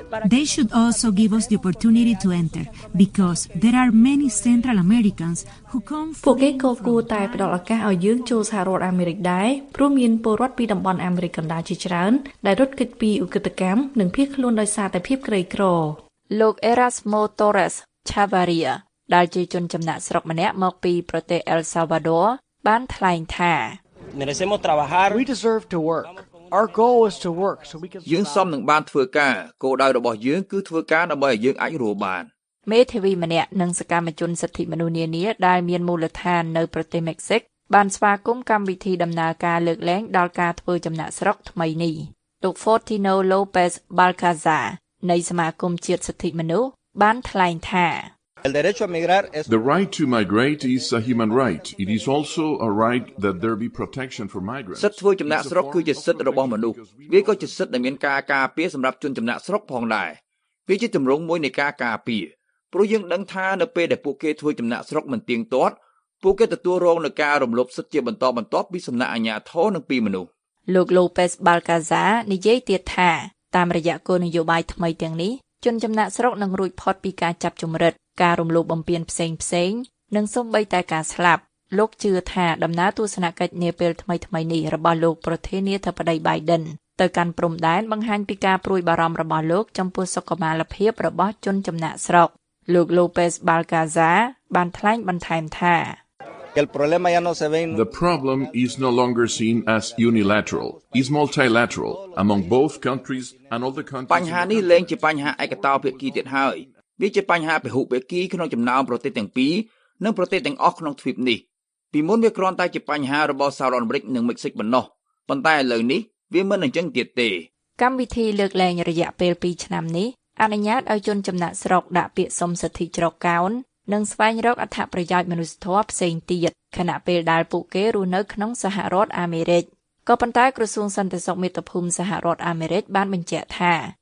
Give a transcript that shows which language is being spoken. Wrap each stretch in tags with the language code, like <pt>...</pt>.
<en>They should also give us the opportunity to enter because there are many Central Americans who come</en> <km>ពួកគេក៏គួរតែផ្តល់ឱកាសឲ្យយើងចូលសហរដ្ឋអាមេរិកដែរព្រោះមានពលរដ្ឋពីតំបន់អាមេរិកកណ្ដាលជាច្រើនដែលរត់គេចពីឧក្រិដ្ឋកម្មនិងភៀសខ្លួនដោយសារតែភាពក្រីក្រ លោក Erasmo Torres Chavarria ដែលជាជនចំណាក់ស្រុកម្នាក់មកពីប្រទេស El Salvador បានថ្លែងថា</km> <es>Merecemos trabajar</es> <en>We deserve to workOur goal is to work so we can</en> <km>យើងសមនឹងបានធ្វើការគោលដៅរបស់យើងគឺធ្វើការដើម្បីឲ្យយើងអាចរស់បាន មេធាវីម្នាក់និងសកម្មជនសិទ្ធិមនុស្សនានាដែលមានមូលដ្ឋាននៅប្រទេសមិចស៊ិកបានស្វាគមន៍កម្មវិធីដំណើរការលើកលែងដល់ការធ្វើចំណាក់ស្រុកថ្មីនេះលោក Fortino Lopez Balcaza នៃសមាគមជាតិសិទ្ធិមនុស្សបានថ្លែងថា</km> <en>The right to migrate is a human right. It is also a right that there be protection for migrants.</en> <km>សិទ្ធិធ្វើចំណាក់ស្រុកគឺជាសិទ្ធិរបស់មនុស្សវាក៏ជាសិទ្ធិដែលមានការការពារសម្រាប់ជនចំណាក់ស្រុកផងដែរវាជាទម្រង់មួយនៃការការពារព្រោះយើងដឹងថានៅពេលដែលពួកគេធ្វើចំណាក់ស្រុកមិនទៀងទាត់ពួកគេទទួលរងនឹងការរំលោភសិទ្ធិជាបន្តបន្ទាប់ពីសំណាក់អាជ្ញាធរនិងពីមនុស្ស លោក Lopez Balcaza និយាយទៀតថាតាមរយៈគោលនយោបាយថ្មីទាំងនេះជនចំណាក់ស្រុកនឹងរួចផុតពីការចាប់ជំរិតការរំលោភបំពានផ្សេងផ្សេងនិងសូម្បីតែការស្លាប់លោកជឿថាដំណើរទស្សនកិច្ចនាពេលថ្មីថ្មីនេះរបស់លោកប្រធានាធិបតី Biden ទៅកាន់ព្រំដែនបង្ហាញពីការព្រួយបារម្ភរបស់លោកចំពោះសុខុមាលភាពរបស់ជនចំណាក់ស្រុកលោក Lopez Balcaza បានថ្លែងបន្ថែមថា</km> <en>The problem is no longer seen as unilateral. It's multilateral among both countries and all the countries.</en> <km>បញ្ហានេះលែងជាបញ្ហាឯកតោភាគីទៀតហើយវាជាបញ្ហាពហុភាគីក្នុងចំណោមប្រទេសទាំងពីរនិងប្រទេសទាំងអស់ក្នុងទ្វីបនេះពីមុនវាគ្រាន់តែជាបញ្ហារបស់សហរដ្ឋអាមេរិកនិងមិចស៊ិកប៉ុណ្ណោះប៉ុន្តែឥឡូវនេះវាមិនអញ្ចឹងទៀតទេ កម្មវិធីលើកលែងរយៈពេល2ឆ្នាំនេះអនុញ្ញាតឲ្យជនចំណាក់ស្រុកដាក់ពាក្យសុំសិទ្ធិជ្រកកោននិងស្វែងរកអត្ថប្រយោជន៍មនុស្សធម៌ផ្សេងទៀតខណៈពេលដែលពួកគេរស់នៅក្នុងសហរដ្ឋអាមេរិកក៏ប៉ុន្តែក្រសួងសន្តិសុខមាតុភូមិសហរដ្ឋអាមេរិកបានបញ្ជាក់ថា</km>